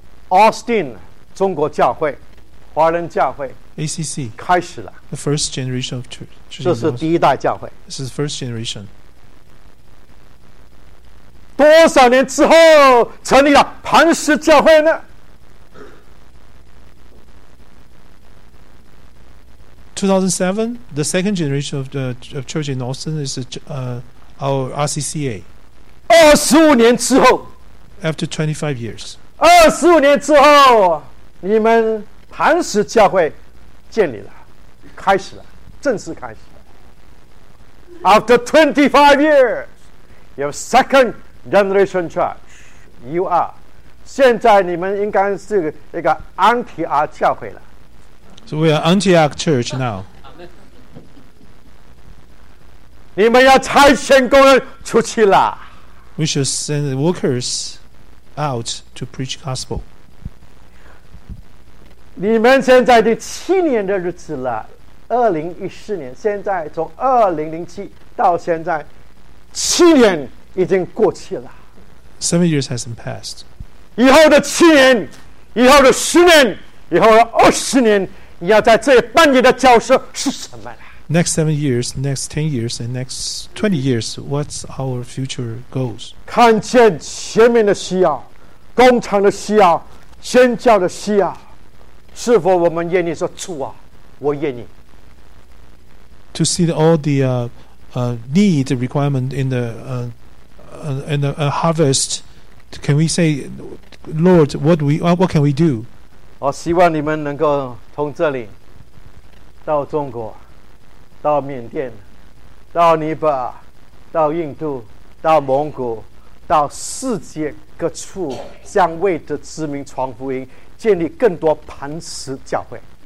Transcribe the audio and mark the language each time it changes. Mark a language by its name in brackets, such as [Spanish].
[Chinese] Austin 中国教会，华人教会 [English] ACC [Chinese] 开始了。 [English] The first generation of church. [Chinese] 这是第一代教会。 [English] This is first generation. [Chinese] 多少年之后成立了磐石教会呢 [English] ？2007, the second generation of the of church in Austin is our RCCA. [Chinese] 25年之后 [English] ，After 25 years. [Chinese] 25年之后，你们磐石教会建立了，开始了，正式开始了。 [English] After 25 years, your secondGeneration Church, you are. [Chinese] 现在你们应该是一个 Antioch 教会了。 [English] So we are Antioch Church now. [Chinese] 你们要差遣工人出去了。 [English] We should send workers out to preach gospel. [Chinese] 你们现在第7年的日子了，2014年，现在从2007到现在7年。已经过去了。 [English] 7 years hasn't passed. [Chinese] 以后的7年，以后的10年，以后的20年，你要在这里扮演的角色是什么呢 [English] ？Next 7 years, next 10 years, and next 20 years, what's our future goals? [Chinese] 看见前面的需要，工厂的需要，宣教的需要，是否我们愿意说主啊，我愿意 [English] ？To see all the need requirement in the and a harvest, can we say, Lord, what can we do? [Chinese] 我希望你们能够从这里到中国，到缅甸，到尼泊尔，到印度，到蒙古，到世界各处，向未得之民传福音，建立更多磐石教会。